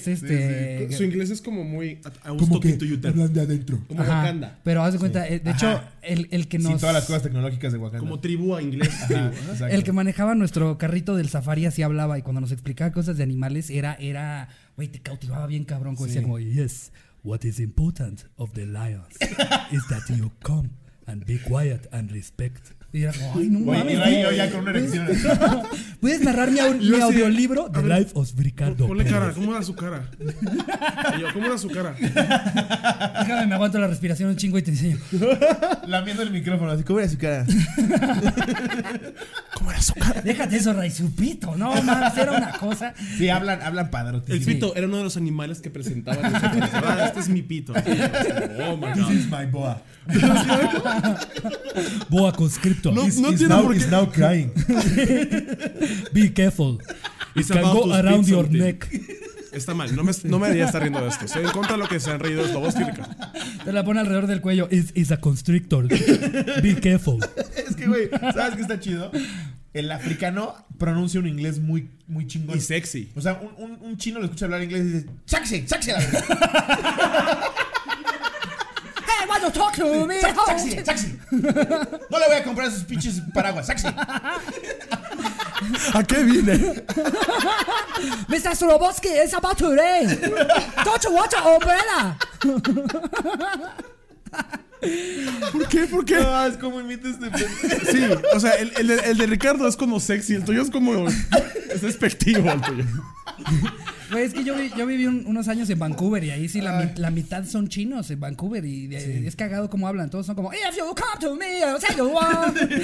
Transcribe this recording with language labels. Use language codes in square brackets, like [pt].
[es] Sí. Su inglés es como muy... Como que hablan de adentro. Como Wakanda. Pero haz de cuenta, de hecho, el que nos... Sí, todas las cosas tecnológicas de Wakanda. Como tribu a inglés. Ajá, tribu, ¿eh? El que manejaba nuestro carrito del safari así hablaba y cuando nos explicaba cosas de animales era... Güey, te cautivaba bien cabrón. Como decía como, [en] yes, what is important of the lions is that you come and be quiet and respect. [es] Y era como, ay, no mames. Y Ray, yo ya con una erección. ¿Puedes narrar mi audiolibro? [en] The Life of Ricardo. [es] Ponle cara, ¿cómo era su cara? Y yo, ¿cómo era su cara? Déjame, me aguanto la respiración un chingo y te enseño. Lamiendo el micrófono, así, ¿cómo era su cara? ¿Cómo era su cara? Déjate eso, Ray, su pito. No mames, era una cosa. Sí, hablan padrote. El pito era uno de los animales que presentaban. Este es mi pito. [en] Oh my god. This is my boa. Boa conscripto. No, he's now crying. Be careful. It can go around your neck. [es] Está mal, no me debería estar riendo de esto. Se encuentra lo que se han reído de esto, vos típica. Te la pone alrededor del cuello. [en] It's a constrictor. Be careful. [es] Es que güey, ¿sabes qué está chido? El africano pronuncia un inglés muy, muy chingón. Y sexy. O sea, un chino lo escucha hablar inglés y dice, sexy, sexy la verdad. [en] Talk to me. [es] Saxi. No le voy a comprar esos pinches paraguas. Saxi. ¿A qué vine? [en] Mr. Sloboski, it's about to rain. Don't you want your umbrella? [es] ¿Por qué? ¿Por qué? No, es como imita este. Sí, o sea, el de Ricardo es como sexy. El tuyo es como. Es despectivo el tuyo. Güey, es que yo viví unos años en Vancouver y ahí sí la mitad son chinos en Vancouver y es cagado cómo hablan. Todos son como, [en] if you come to me, I'll say you want.